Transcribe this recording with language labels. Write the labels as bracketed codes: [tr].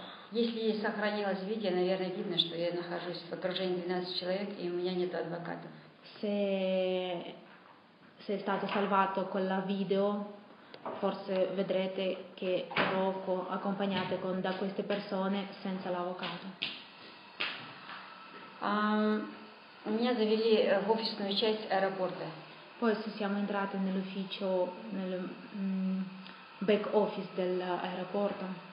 [ru] Если сохранилось видео, наверное, видно, что я нахожусь в окружении 12 человек и у меня нет адвокатов. [it] Se è stato salvato con la video, forse vedrete che ero accompagnata da queste persone senza l'avvocato. [ru] Меня завели в офисную часть аэропорта. [it] Poi ci siamo entrati nell'ufficio, nel back office dell'aeroporto.